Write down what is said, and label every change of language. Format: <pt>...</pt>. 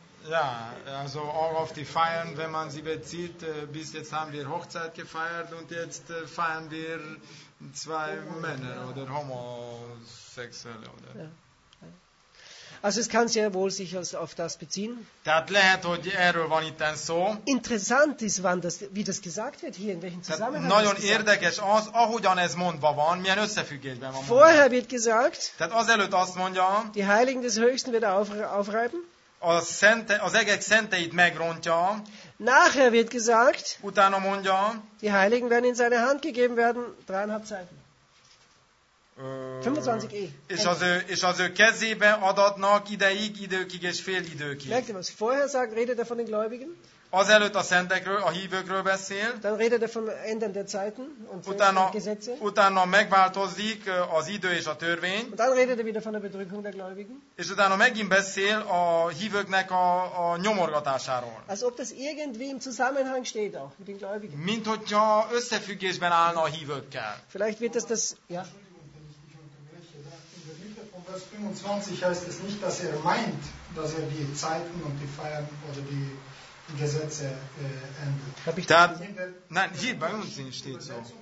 <de>Ja, also auch auf die Feiern, wenn man sie bezieht. Bis jetzt haben wir Hochzeit gefeiert und jetzt feiern wir zwei Männer oder Homosexuelle. Oder? Also es kann sehr wohl sich auf das beziehen.</de> <hu>Tehát lehet, hogy erről van itt szó.</hu> <de>Interessant ist, wann das, wie das gesagt wird hier, in welchem Zusammenhang.</de> <hu>Tehát nagyon érdekes az, ahogyan ez mondva van, milyen összefüggésben van.</hu> <de>Vorher wird gesagt,</de> <hu>tehát azelőtt azt mondja,</hu> <de>die Heiligen des Höchsten wird aufreiben.</de> <hu>Az egek szenteit megrontja.</hu> <de>Nachher wird gesagt,</de> <hu>utána mondja,</hu> <de>die Heiligen werden in seine Hand gegeben werden, 3,5 Zeiten. 25</de> <hu>és az ő kezébe adatnak ideig, időkig és fél időkig.</hu> <de>Merkt ihr was? Vorher sagt, redet von den Gläubigen.</de> <hu>Azelőtt a szentekről, a hívőkről beszél.</hu> <de>Dann redet von Ändern der Zeiten und Gesetze.</de> <hu>Utána megváltozik az idő és a törvény.</hu> <de>Dann redet wieder von der Bedrückung der Gläubigen.</de> <hu>És utána megint beszél a hívőknek a nyomorgatásáról.</hu> <de>Als ob das irgendwie im Zusammenhang steht auch mit den Gläubigen.</de> <hu>Mint hogyha összefüggésben állna a hívőkkel.</hu> <de>Vielleicht wird das ja. Vers 25 heißt es nicht, dass meint, dass die Zeiten und die Feiern oder die Gesetze ändert. Nein, hier bei uns steht so.</de>